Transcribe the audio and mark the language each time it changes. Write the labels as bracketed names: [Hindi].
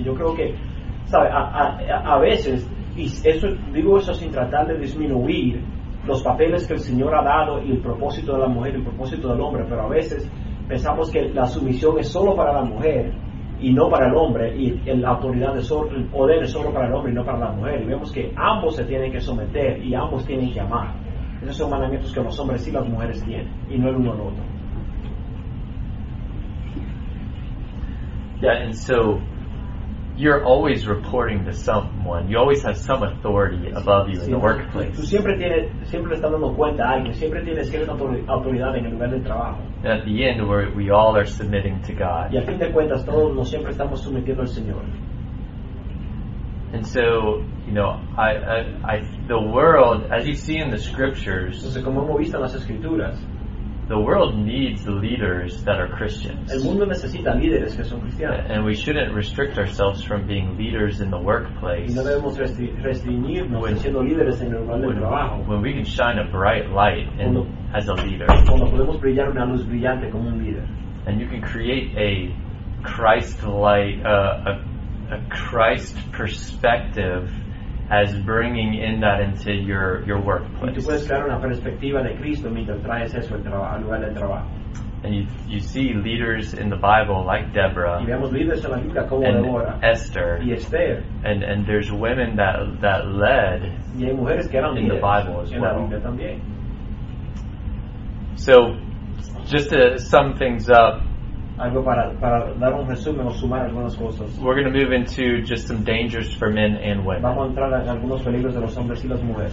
[Spanish] Y yo creo que, ¿sabe?, a veces, y eso, digo eso sin tratar de disminuir los papeles que el Señor ha dado y el propósito de la mujer y el propósito del hombre, pero a veces pensamos que la sumisión es solo para la mujer y no para el hombre, y la autoridad, el poder es solo para el hombre y no para la mujer. Y vemos que ambos se tienen que someter y ambos tienen que amar. Esos son mandamientos que los hombres y las mujeres tienen, y no el uno al otro. [English] Yeah, and so you're always reporting to someone. You always have some authority above you in the workplace. [Spanish] Tú siempre estás dando cuenta a alguien. Siempre tienes cierta autoridad en el lugar de trabajo. [English] At the end, we all are submitting to God. [Spanish] Y a fin de cuentas, todos nos siempre estamos sometiendo al Señor. [English] And so, you know, I the world, as you see in the scriptures. [Spanish] Entonces, como hemos visto en las escrituras. [English] The world needs leaders that are Christians. [Spanish] El mundo necesita líderes que son cristianos. [English] And we shouldn't restrict ourselves from being leaders in the workplace. [Spanish] Y no debemos restringirnos de siendo líderes en el lugar de trabajo. [English] When we can shine a bright light as a leader. [Spanish] Cuando podemos brillar una luz brillante como un líder. [English] And you can create a Christ-like, a Christ perspective as bringing in that into your workplace. [Spanish] Y tú puedes crear una perspectiva de Cristo mientras traes eso al lugar de trabajo. [English] And you see leaders in the Bible like Deborah and Esther, [Spanish] y Esther. [English] And there's women that led [Spanish] y hay mujeres que eran [English] in the Bible as [Spanish] en [English] well. [Spanish] La Biblia también. [English] So, just to sum things up, [Spanish] algo para dar un resumen o sumar algunas cosas. [English] We're going to move into just some dangers for men and women. [Spanish] Vamos a entrar en algunos peligros de los hombres y las mujeres.